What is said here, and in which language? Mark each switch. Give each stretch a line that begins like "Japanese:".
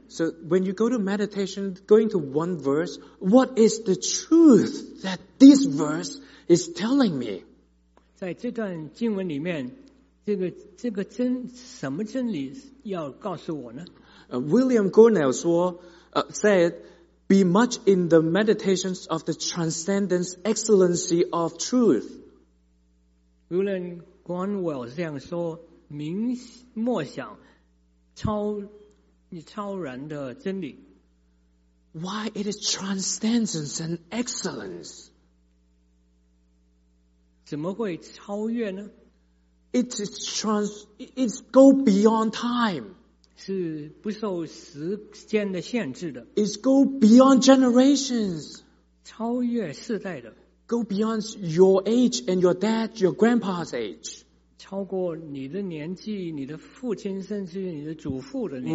English: So when you go to meditation, going to one verse, what is the truth that this verse is telling me?
Chinese: 在这段经文里面，这个真，什么真理要告诉我呢?
English: William Gurnell said, be much in the meditations of the transcendence excellency of truth.
Chinese: William Gurnell 这样说，明默想超然的真理。
English: Why it is transcendence and excellence?
Chinese: 怎么会超越呢？
English: It's go beyond time.
Chinese: 是不受时间的限制的。
English: It's go beyond generations.
Chinese: 超越世代的。
English: Go beyond your age and your dad, your grandpa's age.
Chinese: 超过你的年纪，你的父亲，甚至你的祖父的年纪。